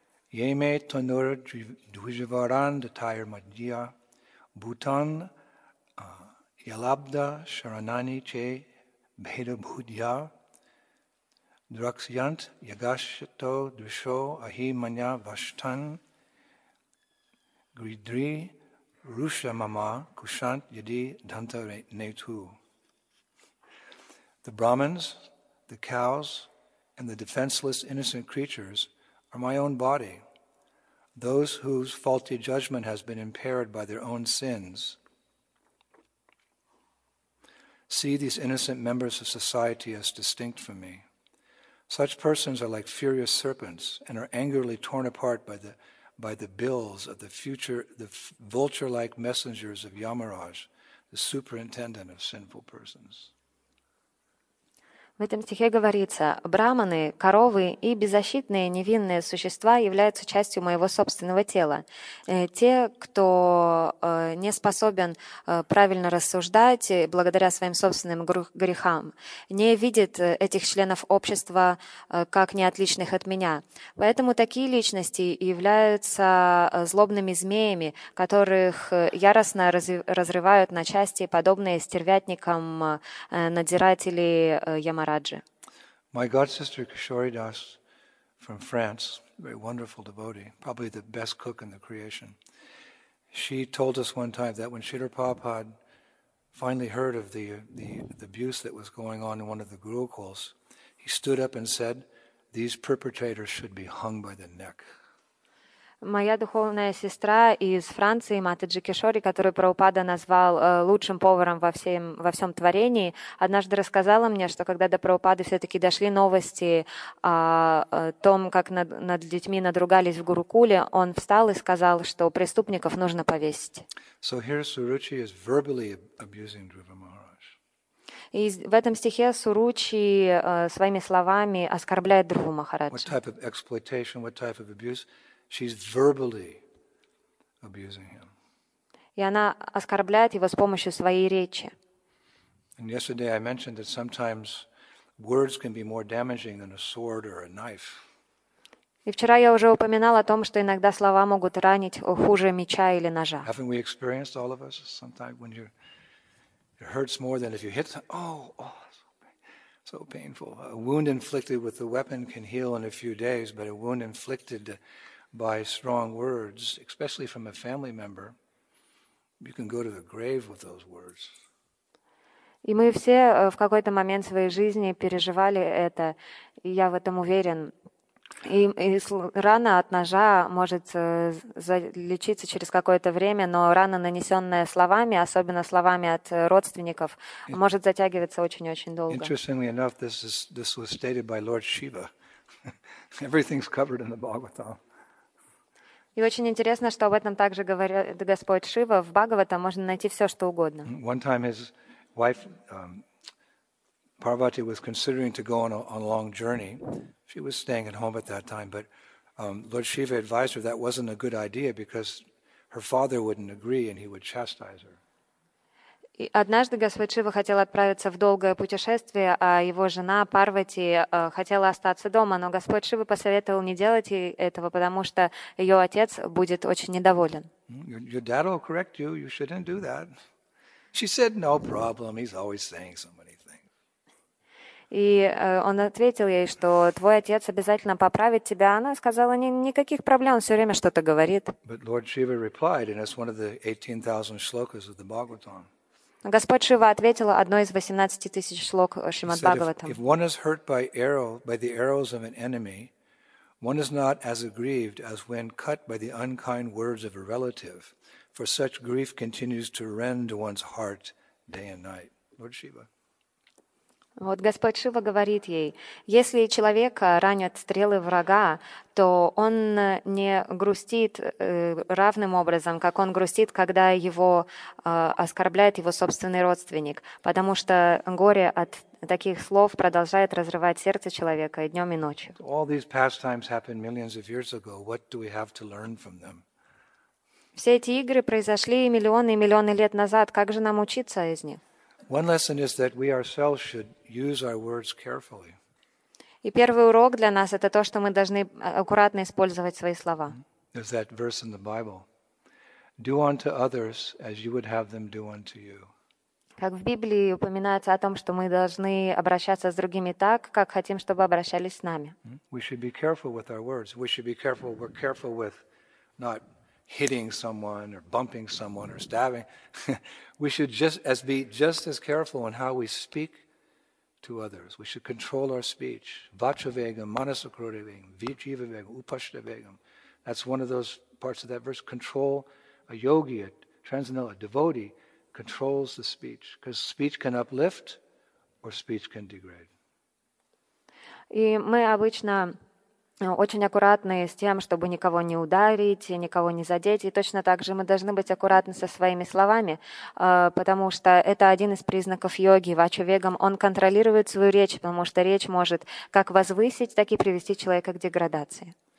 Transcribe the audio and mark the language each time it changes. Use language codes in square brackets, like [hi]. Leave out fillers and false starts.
[sa] Еме тонур дуживаран датайр маджия бутан ялабда шаранани че бхеда бхудья драксьянт ягашто душо ахи маня ваштан гридри руша мама кушант яди данта нету. [en] The Brahmins, the cows, and the defenseless innocent creatures are my own body. Those whose faulty judgment has been impaired by their own sins. See these innocent members of society as distinct from me. Such persons are like furious serpents and are angrily torn apart by the bills of the vulture-like messengers of Yamaraj, the superintendent of sinful persons. [ru] В этом стихе говорится: «Браманы, коровы и беззащитные невинные существа являются частью моего собственного тела. Те, кто не способен правильно рассуждать благодаря своим собственным грехам, не видят этих членов общества как неотличных от меня. Поэтому такие личности являются злобными змеями, которых яростно разрывают на части, подобные стервятникам надзирателей Ямара». [en] My god sister Kishori Das from France, very wonderful devotee, probably the best cook in the creation. She told us one time that when Srila Prabhupada finally heard of the abuse that was going on in one of the gurukuls, he stood up and said, "These perpetrators should be hung by the neck." [ru] Моя духовная сестра из Франции, Матаджи Кишори, которую Прабхупада назвал лучшим поваром во всем творении, однажды рассказала мне, что когда до Прабхупады все-таки дошли новости о том, как над детьми надругались в Гурукуле, он встал и сказал, что преступников нужно повесить. [en] So here Suruchi is verbally abusing Dhruva Maharaj. [ru] И в этом стихе Суручи своими словами оскорбляет Дхруву Махараджа. [en] What type of exploitation, what type of abuse? She's verbally abusing him. [ru] И она оскорбляет его с помощью своей речи. [en] And yesterday I mentioned that sometimes words can be more damaging than a sword or a knife. [ru] И вчера я уже упоминал о том, что иногда слова могут ранить хуже меча или ножа. [en] Haven't we experienced all of us sometimes when it hurts more than if you hit so painful. A wound inflicted with a weapon can heal in a few days, but a wound inflicted by strong words, especially from a family member, you can go to the grave with those words. [ru] И мы все в какой-то момент своей жизни переживали это, и я в этом уверен. И рана от ножа может залечиться через какое-то время, но рана, нанесенная словами, особенно словами от родственников, может затягиваться очень-очень долго. [en] Interestingly enough, this was stated by Lord Shiva. Everything's covered in the Bhagavatam. [ru] И очень интересно, что об этом также говорит Господь Шива. В Бхагаватам можно найти все, что угодно. [en] One time his wife, Parvati was considering to go on a long journey. She was staying at home at that time, but Lord Shiva advised her that wasn't a good idea because her father wouldn't agree and he would chastise her. [ru] И однажды Господь Шива хотел отправиться в долгое путешествие, а его жена Парвати хотела остаться дома. Но Господь Шива посоветовал не делать этого, потому что ее отец будет очень недоволен. [en] Your dad will correct you. You shouldn't do that. She said, no problem. He's always saying so many things. [ru] И он ответил ей, что твой отец обязательно поправит тебя. Она сказала, никаких проблем, он все время что-то говорит. [en] But Lord Shiva replied, and it's one of the 18,000 shlokas of the Bhagavatam. [ru] Господь Шива ответил одной из 18 тысяч шлок Шримад Бхагаватам. [en] If one is hurt by the arrows of an enemy, one is not as aggrieved as when cut by the unkind words of a relative, for such grief continues to rend one's heart day and night. Lord Shiva. [ru] Вот Господь Шива говорит ей: если человека ранят стрелы врага, то он не грустит равным образом, как он грустит, когда его оскорбляет его собственный родственник, потому что горе от таких слов продолжает разрывать сердце человека днем и ночью. [en] All these pastimes happened millions of years ago. What do we have to learn from them? [ru] Все эти игры произошли миллионы и миллионы лет назад. Как же нам учиться из них? [en] One lesson is that we ourselves should use our words carefully. [ru] И первый урок для нас — это то, что мы должны аккуратно использовать свои слова. [en] There's that verse in the Bible: "Do unto others as you would have them do unto you." [ru] Как в Библии упоминается о том, что мы должны обращаться с другими так, как хотим, чтобы обращались с нами. [en] We should be careful with our words. We should be careful. We're careful with not hitting someone or bumping someone or stabbing. We should be just as careful in how we speak to others. We should control our speech. [sa] Vachavegam, manasakrodavegam, vichivavegam, upashtavegam. [en] That's one of those parts of that verse. Control. A yogi, a transcendental, a devotee controls the speech, because speech can uplift or speech can degrade. [ru] И мы обычно очень аккуратны с тем, чтобы никого не ударить и никого не задеть. И точно так же мы должны быть аккуратны со своими словами, потому что это один из признаков йоги. Вачо-вегам, он контролирует свою речь, потому что речь может как возвысить, так и привести человека к деградации.